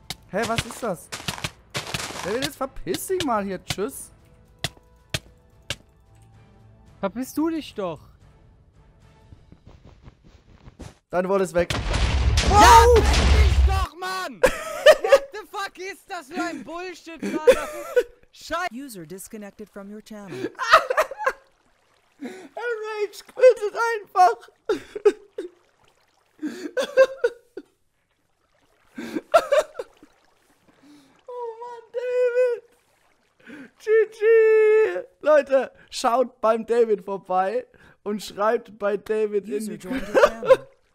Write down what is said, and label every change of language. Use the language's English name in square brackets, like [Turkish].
[German] Hä, was ist das? Hey, jetzt verpiss dich mal hier! Tschüss! Verpiss du dich doch! Deine Wolle ist weg! Wow! Ja, verpiss dich doch, Mann! Fuck, ist das für ein Bullshit, Mann? Scheiße! [English] User disconnected from your channel. [German] Er rage quittet einfach! Oh Mann, David! GG! Leute, schaut beim David vorbei und schreibt bei David User in die Kommentare.